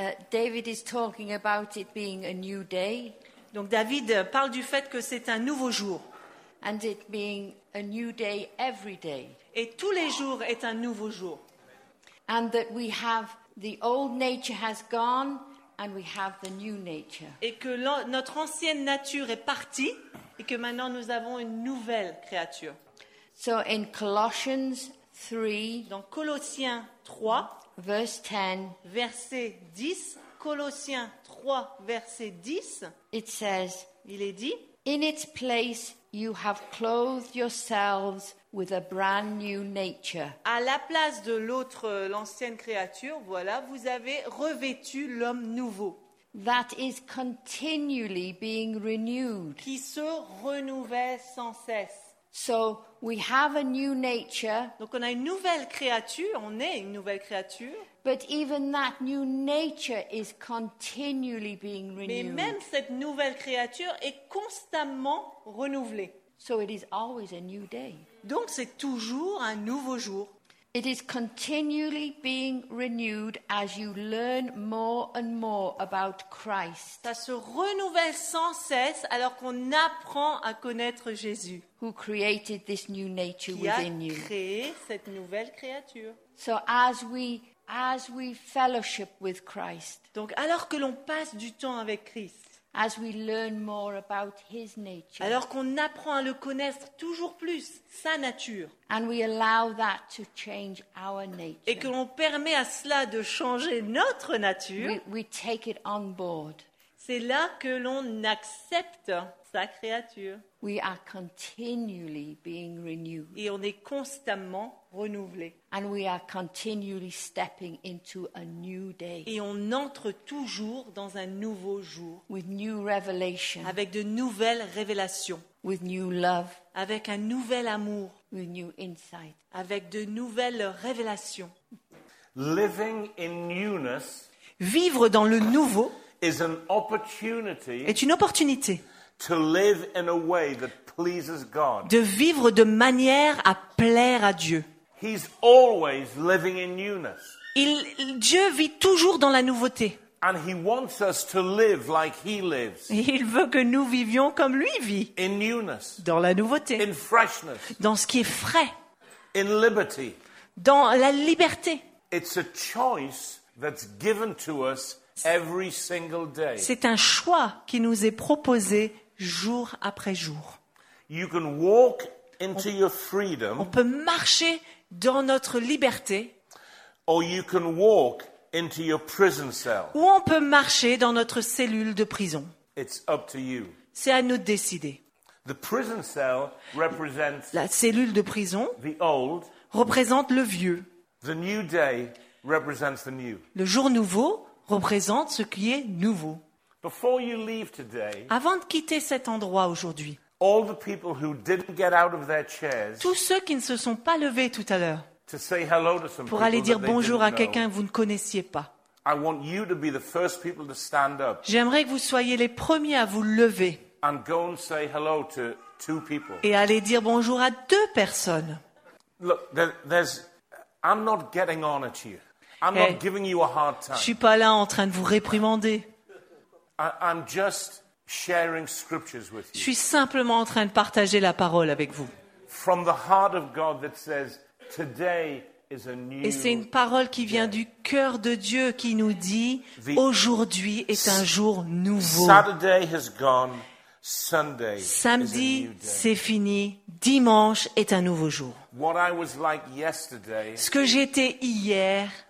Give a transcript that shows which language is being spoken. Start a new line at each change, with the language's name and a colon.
English: David is talking about it being a new day.
French: Donc David parle du fait que c'est un nouveau jour.
English: And it being a new day every day.
French: Et tous les jours est un nouveau jour.
English: And that we have the old nature has gone and we have the new nature.
French: Et que notre ancienne nature est partie et que maintenant nous avons une nouvelle créature.
English: So in Colossians 3,
French: dans Colossiens 3,
English: verse 10,
French: verset 10, Colossiens 3, verset 10,
English: it says,
French: il est dit,
English: in its place you have clothed yourselves with a brand new nature.
French: À la place de l'autre, l'ancienne créature, voilà, vous avez revêtu l'homme nouveau.
English: That is continually being renewed.
French: Qui se renouvelle sans cesse.
English: So we have a new nature.
French: Donc on a une nouvelle créature, on est une nouvelle créature.
English: But even that new nature is continually being renewed.
French: Mais même cette nouvelle créature est constamment renouvelée.
English: So it is always a new day.
French: Donc c'est toujours un nouveau jour.
English: It is continually being renewed as you learn more and more about Christ.
French: Ça se renouvelle sans cesse alors qu'on apprend à connaître Jésus.
English: Who created this new nature within you?
French: Qui a créé cette nouvelle créature?
English: So as we fellowship with Christ.
French: Donc alors que l'on passe du temps avec Christ.
English: As we learn more about his nature.
French: Alors qu'on apprend à le connaître toujours plus, sa nature.
English: And we allow that to change our nature.
French: Et que l'on permet à cela de changer notre nature.
English: We take it on board.
French: C'est là que l'on accepte sa créature.
English: We are continually being renewed.
French: Et on est constamment renouvelé.
English: And we are continually stepping into a new day.
French: Et on entre toujours dans un nouveau jour.
English: With new revelation.
French: Avec de nouvelles révélations.
English: With new love.
French: Avec un nouvel amour.
English: With new insight.
French: Avec de nouvelles révélations.
English: Living in newness.
French: Vivre dans le nouveau.
English: Is an opportunity.
French: Est une opportunité.
English: To live in a way that pleases God.
French: De vivre de manière à plaire à Dieu.
English: He's always living in newness.
French: Dieu vit toujours dans la nouveauté.
English: And he wants us to live like he lives.
French: Il veut que nous vivions comme lui vit.
English: In newness.
French: Dans la nouveauté.
English: In freshness.
French: Dans ce qui est frais.
English: In liberty.
French: Dans la liberté.
English: It's a choice that's given to us. Every single day.
French: C'est un choix qui nous est proposé jour après jour.
English: You can walk into your freedom.
French: On peut marcher dans notre liberté.
English: Or you can walk into your prison cell.
French: Ou on peut marcher dans notre cellule de prison.
English: It's up to you.
French: C'est à nous de décider.
English: The prison cell represents
French: la cellule de prison.
English: The old
French: représente le vieux.
English: The new day represents the new.
French: Le jour nouveau représente ce qui est nouveau.
English: Before you leave today,
French: avant de quitter cet endroit aujourd'hui,
English: all the people who didn't get out of their chairs,
French: tous ceux qui ne se sont pas levés tout à l'heure
English: to say hello to some
French: pour aller dire bonjour à quelqu'un que vous ne connaissiez pas,
English: I want you to be the first people to stand up.
French: J'aimerais que vous soyez les premiers à vous lever
English: and go and say hello to two people.
French: Et aller dire bonjour à deux personnes.
English: Look, I'm not getting on at you. I'm not giving you a hard time.
French: Je suis pas là en train de vous réprimander.
English: I'm just sharing scriptures with you.
French: Je suis simplement en train de partager la parole avec vous.
English: From the heart of God that says today is a new.
French: Et c'est une parole qui vient du cœur de Dieu qui nous dit aujourd'hui est un jour nouveau.
English: Saturday has gone. Sunday
French: samedi,
English: is a new day.
French: C'est fini. Dimanche est un nouveau jour.
English: What I was like yesterday.
French: Ce que j'étais hier